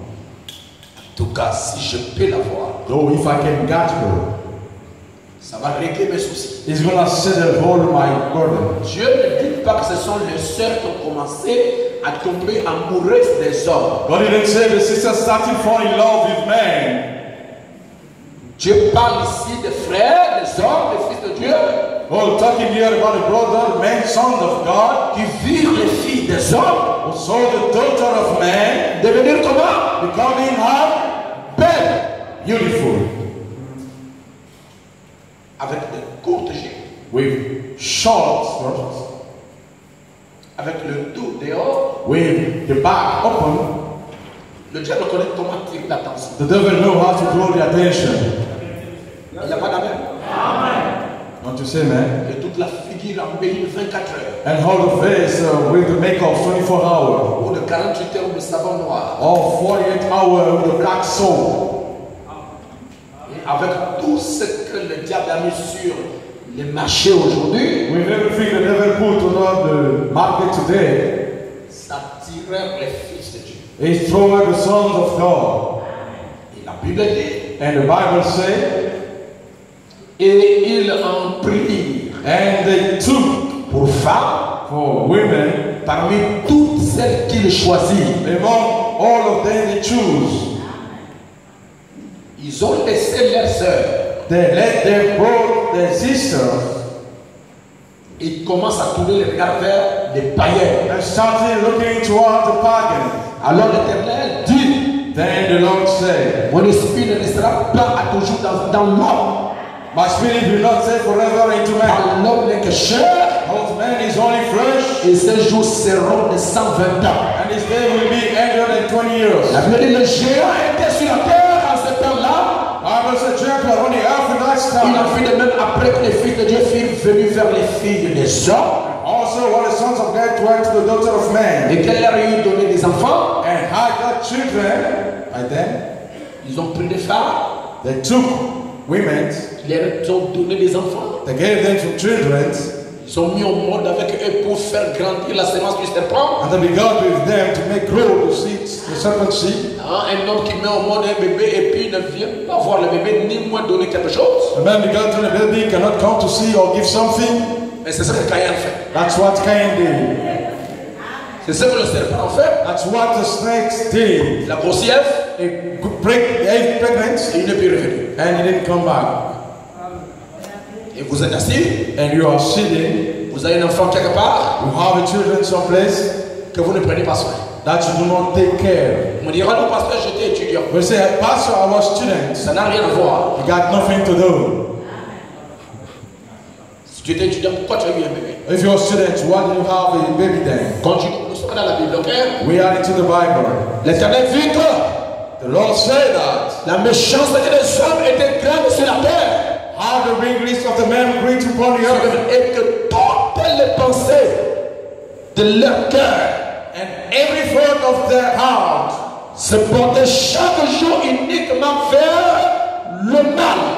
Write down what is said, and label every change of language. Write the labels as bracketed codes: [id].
[fr] En tout cas, si je peux la voir. [en] Though if I can get her. [fr] Ça va régler mes soucis. [en] It's gonna settle all my burden. [fr] Dieu ne dit pas que ce sont les sœurs qui ont commencé à tomber amoureuses des hommes. [en] God didn't say the sisters started falling in love with men. [fr] Dieu parle ici des frères, des hommes, des fils de Dieu. [en] Oh, talking here about a brother, man, son of God, [fr] qui vit les filles des hommes, [en] who saw the daughter of man, [fr] devenir comment? [en] Becoming her [fr] belle, [en] beautiful, [fr] avec de courtes jupes, [en] with short skirts, [fr] avec le dos dehors, [en] with the back open. [fr] Le diable connaît comment attirer l'attention. [en] The devil knows how to draw the attention. [fr] Il n'y a pas d'amen. [en] Amen. Don't you say, man? [fr] Et toute la figure en 24 heures. [en] And all the face with the makeup 24 hours. [fr] Ou de 48 heures de savon noir. [en] Or 48 hours with the black soap. [fr] Et avec tout ce que le diable a mis sur les marchés aujourd'hui. [en] With everything the devil put on the market today. [fr] Ça tirait les fils de Dieu. [en] He threw the sons of God. [fr] Et la Bible dit. [en] And the Bible says. [fr] Et ils en prirent. [en] And they took [fr] pour femme, [en] for women, [fr] parmi toutes celles qu'ils choisirent. [en] Among all of them they choose. [fr] Ils ont laissé leurs sœurs. [en] They let them both their sisters. [fr] Ils commencent à tourner les regards vers les païens. [en] They started looking toward the pagans. [fr] Alors l'Éternel dit. [en] Then the Lord said. [fr] Mon esprit ne restera pas à toujours dans l'homme. [en] My spirit will not stay forever into man. [fr] Un homme n'est que chair. [en] Old man is only flesh. [fr] Et ses jours seront de 120 ans. [en] And his day will be 120 years. [fr] La Bible dit le géant était sur la terre à ce temps-là. [en] Bible says the giant was on the earth at that time. [fr] Il en fut de même après que les filles de Dieu furent venues vers les filles des hommes. [en] Also, when the sons of God went to the daughter of man. [fr] Et qu'elle leur eut donné des enfants. [en] And had got children. By then, [fr] ils ont pris des femmes. [en] They took women. [fr] Ils leur ont donné des enfants. [en] They gave them to children. [fr] Ils sont mis au monde avec eux pour faire grandir la semence du serpent. [en] And they began with them to make grow the seeds, the serpent seed. [fr] Un homme qui met au monde un bébé et puis ne vient pas voir le bébé ni moi donner quelque chose. [en] A man began to a baby cannot come to see or give something. [fr] Mais c'est ce que Caïn fait. [en] That's what Caïn did. [fr] C'est ce que le serpent en fait. [en] That's what the snake did. [fr] La grossièvre. [en] Break pregnant. [fr] Et il ne peut revenir. [en] And he didn't come back. [fr] Et vous êtes assis. [en] And you are sitting. [fr] Vous avez un enfant quelque part. [en] You have a children someplace. [fr] Que vous ne prenez pas soin. [en] That you do not take care. [fr] On dira non parce que j'étais étudiant. [en] We say, pastor, I was student. [fr] Ça n'a rien à voir. [en] You got nothing to do. [fr] Si tu étais étudiant, pourquoi tu as eu un bébé? [en] If you are student, why do you have a baby then? [fr] Continue. Nous sommes dans la Bible, ok? [en] We are into the Bible. [fr] L'Éternel vit que. [en] The Lord said that. [fr] La méchanceté des hommes était grande sur la terre. [en] How the wickedness of the men great upon the earth. [fr] Et que toutes les pensées de leur cœur. [en] And every thought of their heart. [fr] Se portait chaque jour uniquement vers le mal.